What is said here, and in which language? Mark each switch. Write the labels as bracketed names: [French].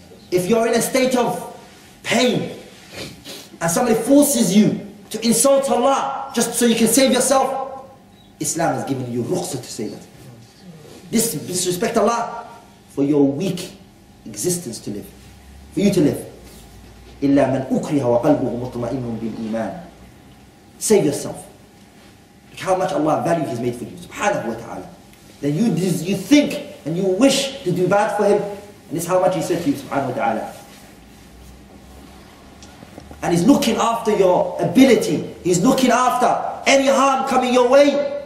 [English] If you're in a state of pain and somebody forces you to insult Allah just so you can save yourself, Islam has given you rukhsah to say that. This disrespect Allah for your weak existence to live, for you to live. [Arabic] إِلَّا مَنْ أُكْرِهَ وَقَلْبُهُ مُطْمَئِنٌ بِالْإِيمَانِ [English] Save yourself. Look how much Allah value He's made for you. Subhanahu wa ta'ala. Then you think and you wish to do bad for Him. And this is how much He said to you, Subhanahu wa ta'ala. And He's looking after your ability. He's looking after any harm coming your way.